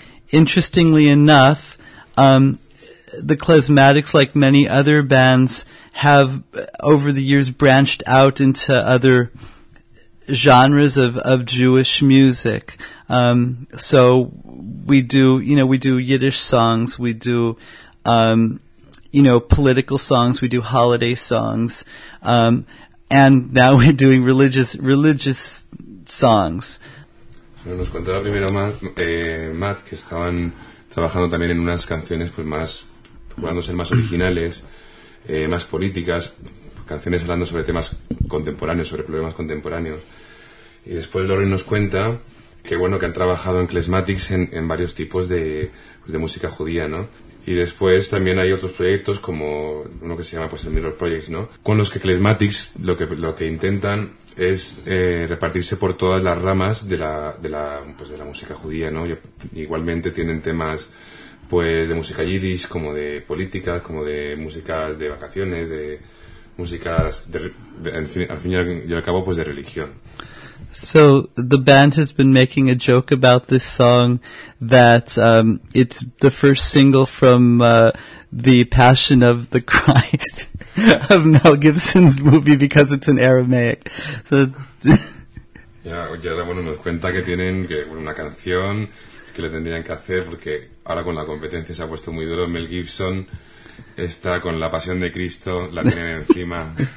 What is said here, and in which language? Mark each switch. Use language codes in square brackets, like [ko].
[en] Interestingly enough, the Klezmatics, like many other bands, have over the years branched out into other genres of Jewish music. So we do, you know, we do Yiddish songs, we do, you know, political songs, we do holiday songs, and now we're doing religious songs. [es] Nos contaba primero Matt que estaban trabajando también en unas canciones pues más, procurando ser más originales, más políticas, canciones hablando sobre temas contemporáneos, sobre problemas contemporáneos. Y después Lauren nos cuenta que bueno, que han trabajado en Klezmatics en varios tipos de música judía, ¿no? Y después también hay otros proyectos como uno que se llama pues el Mirror Projects, ¿no? Con los que Klezmatics lo que intentan es repartirse por todas las ramas de la pues de la música judía, ¿no? Igualmente tienen temas pues de música yiddish, como de política, como de músicas de vacaciones, de músicas al fin y al cabo pues de religión. [en] So the band has been making a joke about this song that it's the first single from The Passion of the Christ of Mel Gibson's movie because it's in Aramaic. So [es] ya bueno, nos cuenta que tienen una canción que le tendrían que hacer porque ahora con la competencia se ha puesto muy duro. Mel Gibson está con La Pasión de Cristo, la tienen encima.